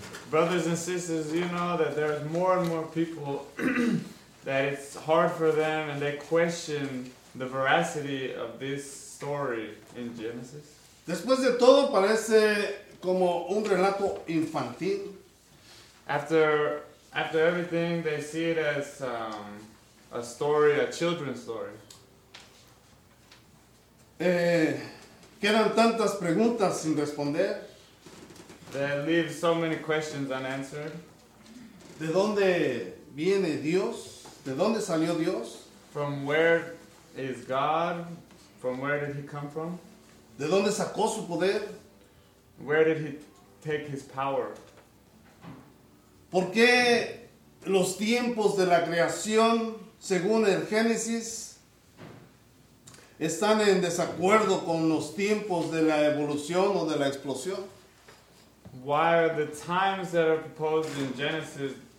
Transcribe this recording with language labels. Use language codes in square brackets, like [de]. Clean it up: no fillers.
[en] Brothers and sisters, you know that there's more and more people that it's hard for them and they question the veracity of this story in Genesis. [es] Después de todo, parece como un relato infantil. [en] After everything, they see it as a story, a children's story. [es] Quedan tantas preguntas sin responder. [en] That leaves so many questions unanswered. [es] ¿De dónde viene Dios? ¿De dónde salió Dios? [en] From where is God? From where did he come from? [es] ¿De dónde sacó su poder? [en] Where did he take his power? [es] ¿Por qué los tiempos de la creación, según el Génesis, están en desacuerdo con los tiempos de la evolución o de la explosión? [en] Why are the times that are proposed in Genesis